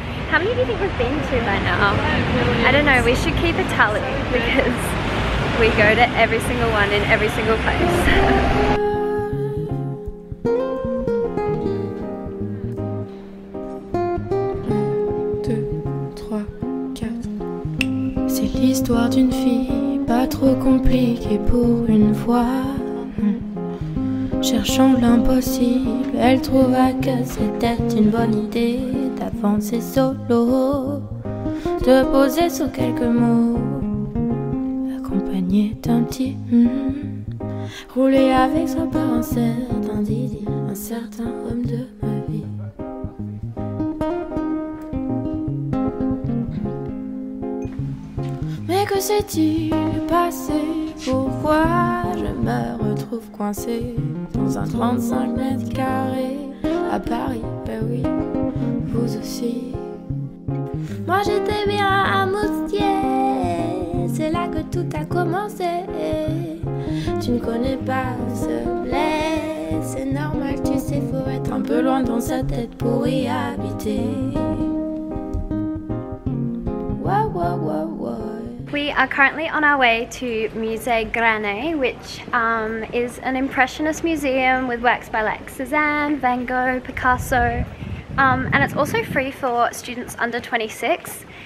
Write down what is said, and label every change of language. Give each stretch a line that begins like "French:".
English: How many do you think we've been to by now? I don't know, we should keep a tally because we go to every single one in every single place.
French: C'est l'histoire d'une fille pas trop compliquée pour une fois. Cherchant l'impossible, elle trouva que c'était une bonne idée d'avancer solo, de poser sous quelques mots, accompagnée d'un petit rouler avec soi par un certain Didi, un certain homme de ma vie. Mais que s'est-il passé? Pourquoi je me retrouve coincée dans un 35 mètres carrés à Paris? Ben oui, vous aussi. Moi j'étais bien à Moustier, c'est là que tout a commencé. Tu ne connais pas ce bled, c'est normal, tu sais, faut être un peu loin dans sa tête pour y habiter.
English: Wow, wow, wow, wow. We are currently on our way to Musée Granet, which is an impressionist museum with works by like Cézanne, Van Gogh, Picasso, and it's also free for students under 26.